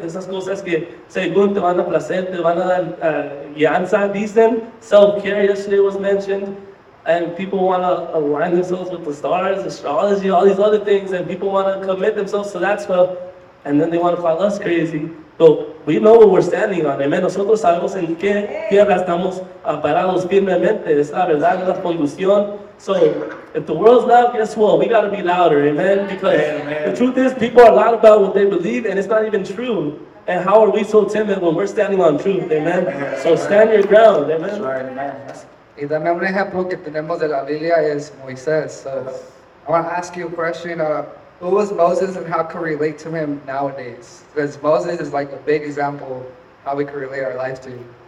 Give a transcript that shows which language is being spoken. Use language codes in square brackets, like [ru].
[es] Esas cosas que, según te van a placer, te van a dar guianza, dicen. [en] Self-care yesterday was mentioned. And people want to align themselves with the stars, astrology, all these other things, and people want to commit themselves to that stuff, and then they want to call us crazy. But we know what we're standing on, amen. [es] Nosotros sabemos en qué tierra estamos parados firmemente, es la verdad, la conducción. [en] So if the world's loud, guess what? We got to be louder, amen. Because the truth is, people are loud about what they believe, and it's not even true. And how are we so timid when we're standing on truth, amen? So stand your ground, amen. [es] Y también un ejemplo que tenemos de la Biblia es Moisés. [en] So, I want to ask you a question. Who was Moses and how can we relate to him nowadays? Because Moses is like a big example how we can relate our lives to him.